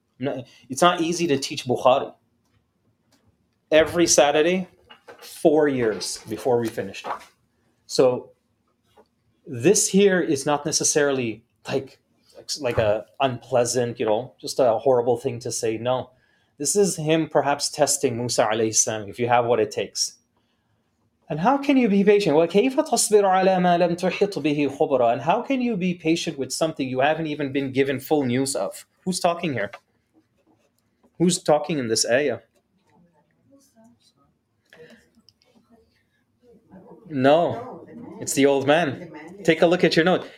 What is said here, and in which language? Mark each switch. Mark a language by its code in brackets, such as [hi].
[en] It's not easy to teach Bukhari. Every Saturday, 4 years before we finished. So this here is not necessarily like a unpleasant, you know, just a horrible thing to say. No, this is him perhaps testing Musa alayhi salam, if you have what it takes. And how can you be patient? [ar] Well, كَيْفَ تَصْبِرُ عَلَى مَا لَمْ تُحِطْ بِهِ خُبْرًا. [en] And how can you be patient with something you haven't even been given full news of? Who's talking here? Who's talking in this ayah? No, it's the old man. Take a look at your note.